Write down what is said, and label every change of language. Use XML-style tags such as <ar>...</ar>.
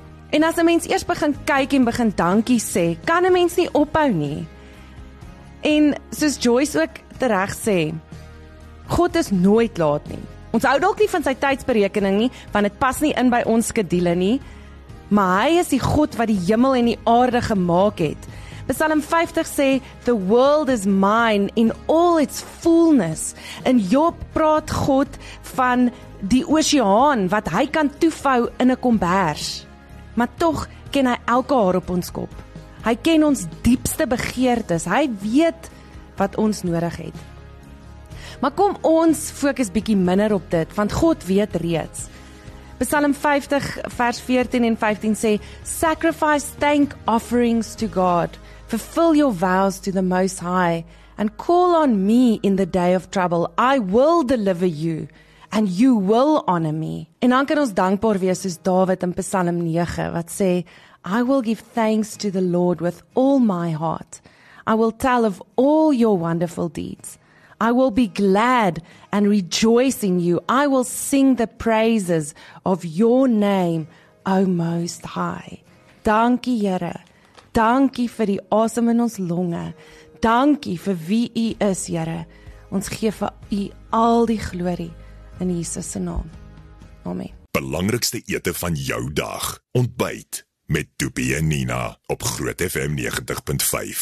<af>En as 'n mens eers begin kyk en begin dankie sê, kan 'n mens nie ophou nie. En soos Joyce ook tereg sê, God is nooit laat nie. Ons hou dalk nie van sy tydsberekening nie, want dit pas nie in by ons skedule nie, maar hy is die God wat die hemel en die aarde gemaak het.</af> <en>Psalm 50 sê, the world is mine in all its fullness.</en> <af>In Job praat God van die oseaan wat hy kan toevou in 'n kombers. Maar tog ken hy elke haar op ons kop. Hy ken ons diepste begeertes. Hy weet wat ons nodig het. Maar kom ons fokus bietjie minder op dit, want God weet reeds. Psalm 50 vers 14 en 15 sê,</af> <en>sacrifice thank offerings to God. Fulfill your vows to the Most High and call on me in the day of trouble. I will deliver you and you will honor me.</en> <af>En dan kan ons dankbaar wees soos Dawid in Psalm 9 wat sê,</af> <en>I will give thanks to the Lord with all my heart. I will tell of all your wonderful deeds. I will be glad and rejoice in you. I will sing the praises of your name, O Most High.</en> <af>Dankie Here. Dankie vir die asem in ons longe. Dankie vir wie u is, Here. Ons gee vir u al die glorie in Jesus se naam. Amen. Belangrikste ete van jou dag. Ontbyt met Toepie en Nina op Groot FM 90.5.</af>